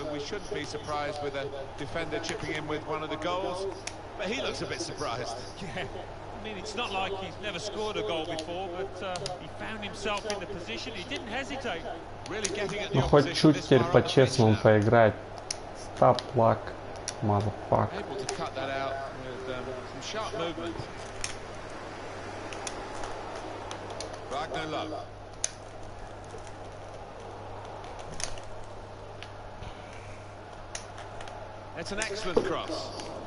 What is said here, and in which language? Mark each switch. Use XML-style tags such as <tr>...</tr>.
<en>Shouldn't be surprised with a defender chipping in with one of the goals, but he looks a bit surprised. Yeah, I mean, it's not like he's never scored a goal before, but he found himself in the position. He didn't hesitate. Really getting at the opposition.</en> <ru>Ну, хоть чуть теперь по-честному поиграть.</ru> <en>Stop luck, motherfucker. Able to cut that out with some sharp movement. Wagner Love. It's an excellent cross.</en>